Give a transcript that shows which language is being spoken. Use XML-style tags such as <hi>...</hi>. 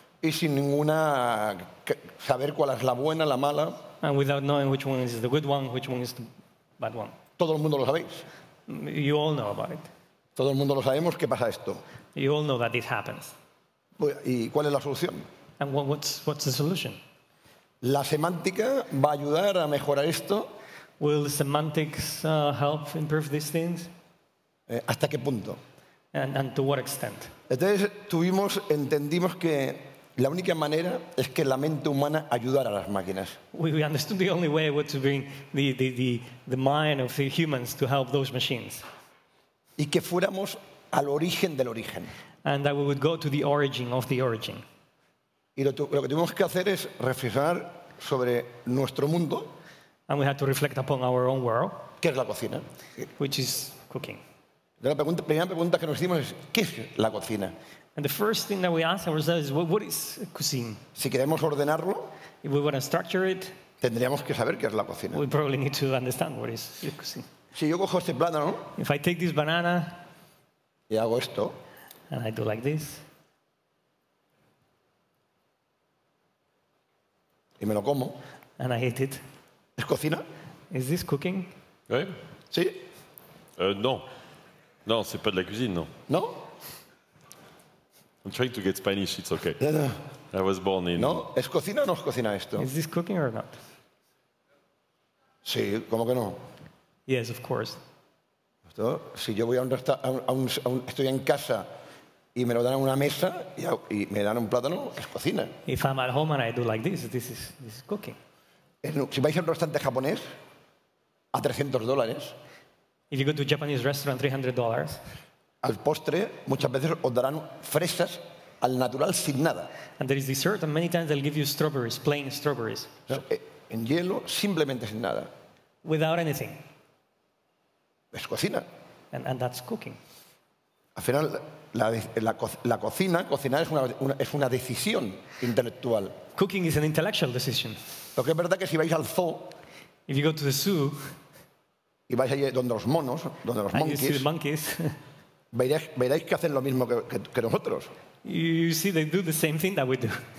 <es>Y sin ninguna saber cuál es la buena, la mala.</es> <en>And without knowing which one is the good one, which one is the bad one.</en> <es>Todo el mundo lo sabéis.</es> <en>You all know about it.</en> <es>Todo el mundo lo sabemos qué pasa esto.</es> <en>You all know that this happens.</en> <es>¿Y cuál es la solución?</es> <en>And what's the solution?</en> <es>La semántica va a ayudar a mejorar esto.</es> <en>Will semantics help improve these things?</en> <es>¿Hasta qué punto?</es> <en>And to what extent?</en> <es>Entonces entendimos que la única manera es que la mente humana ayudara a las máquinas.</es> <en>We understood the only way was to bring the mind of the humans to help those machines.</en> <es>Y que fuéramos al origen del origen.</es> <en>And that we would go to the origin of the origin.</en> <es>Y lo que tuvimos que hacer es reflexionar sobre nuestro mundo.</es> <en>And we had to reflect upon our own world.</en> <es>¿Qué es la cocina?</es> <en>Which is cooking.</en> <es>La primera pregunta que nos hicimos es ¿qué es la cocina?</es> <en>And the first thing that we ask ourselves is what is cuisine?</en> <es>Si queremos ordenarlo,</es> <en>if we want to structure it,</en> <es>tendríamos que saber qué es la cocina.</es> <en>We probably need to understand what is cuisine.</en> <es>Si yo cojo este plátano,</es> <en>if I take this banana,</en> <es>y hago esto,</es> <en>and I do like this,</en> <es>y me lo como,</es> <en>and I eat it,</en> <es>¿es cocina?</es> <en>Is this cooking? ¿Eh?</en> <es>¿Sí? No.</es> <fr>No, c'est pas de la cuisine, non. Non?</fr> <en>I'm trying to get Spanish, it's okay.</en> <es>No.</es> <en>I was born in...</en> <es>No, ¿es cocina o no es cocina esto?</es> <en>Is this cooking or not?</en> <es>Sí, ¿cómo que no?</es> <en>Yes, of course.</en> <es>Esto, si yo voy a un estoy en casa y me lo dan a una mesa y me dan un plátano, es cocina.</es> <en>If I'm at home and I do like this is cooking.</en> <es>Si vais a un restaurante japonés, a $300...</es> <en>If you go to a Japanese restaurant, $300...</en> <es>Al postre, muchas veces os darán fresas al natural sin nada.</es> <en>And there is dessert, and many times they'll give you strawberries, plain strawberries.</en> <es>En hielo, simplemente sin nada.</es> <en>Without anything.</en> <es>Es cocina.</es> <en>And that's cooking.</en> <es>Al final, la cocina, cocinar es una decisión intelectual.</es> <en>Cooking is an intellectual decision.</en> <es>Lo que es verdad que si vais al zoo,</es> <en>if you go to the zoo,</en> <es>y vais allí donde los monos, donde los monkeys,</es> <en>and you see the monkeys.</en> <es>Veréis que hacen lo mismo que nosotros.</es> <en>You see, they do the same thing that we do.</en>